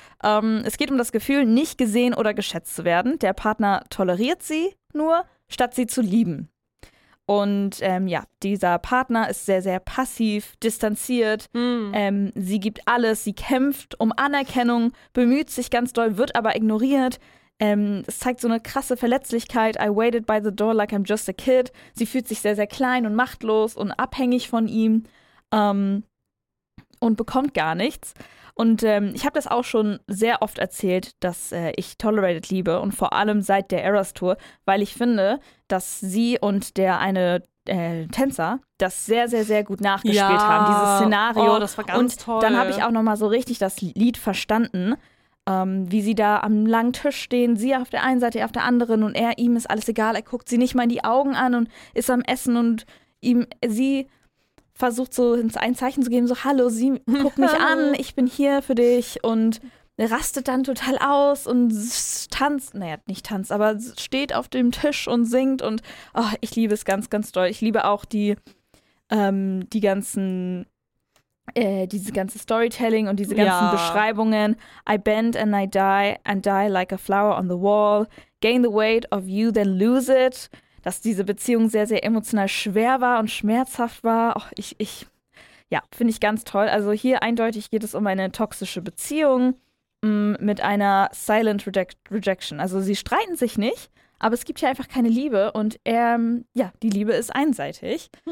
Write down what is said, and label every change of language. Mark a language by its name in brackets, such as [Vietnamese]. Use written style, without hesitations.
[German] Es geht um das Gefühl, nicht gesehen oder geschätzt zu werden. Der Partner toleriert sie nur, statt sie zu lieben. Und ja, dieser Partner ist sehr, sehr passiv, distanziert. Sie gibt alles, sie kämpft um Anerkennung, bemüht sich ganz doll, wird aber ignoriert. Es zeigt so eine krasse Verletzlichkeit. [English] I waited by the door like I'm just a kid. [German] Sie fühlt sich sehr, sehr klein und machtlos und abhängig von ihm und bekommt gar nichts. Und ich habe das auch schon sehr oft erzählt, dass ich Tolerated liebe und vor allem seit der Eras-Tour, weil ich finde, dass sie und der eine Tänzer das sehr, sehr, sehr gut nachgespielt haben, dieses Szenario. Oh, das war ganz und toll. Und dann habe ich auch nochmal so richtig das Lied verstanden, wie sie da am langen Tisch stehen, sie auf der einen Seite, er auf der anderen und er, ihm ist alles egal, er guckt sie nicht mal in die Augen an und ist am Essen und ihm, sie versucht so ein Zeichen zu geben, so hallo, sie guck mich an, ich bin hier für dich und rastet dann total aus und tanzt, naja, nicht tanzt, aber steht auf dem Tisch und singt und oh, ich liebe es ganz, ganz doll. Ich liebe auch diese ganze Storytelling und diese ganzen Beschreibungen. [English] I bend and die like a flower on the wall. Gain the weight of you, then lose it. [German] Dass diese Beziehung sehr, sehr emotional schwer war und schmerzhaft war. Och, ich finde ich ganz toll. Also hier eindeutig geht es um eine toxische Beziehung mit einer [English] silent rejection. [German] Also sie streiten sich nicht, aber es gibt hier einfach keine Liebe. Und die Liebe ist einseitig.